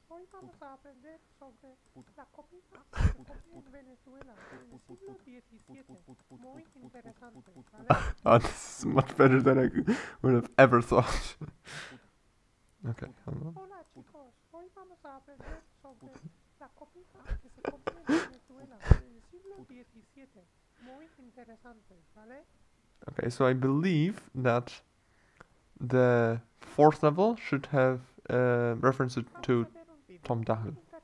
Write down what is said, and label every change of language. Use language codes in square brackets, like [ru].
[es] Vamos a aprender sobre la comida en Venezuela en el siglo XVII. Muy interesante, ¿vale? [en] This is much better than I would have ever thought. Okay, hold on. [es] Hola chicos, hoy vamos a aprender sobre la comida que se comió en Venezuela en el siglo XVII. Muy interesante, ¿vale? [en] Okay, so I believe that the fourth level should have reference to Tom Dahl.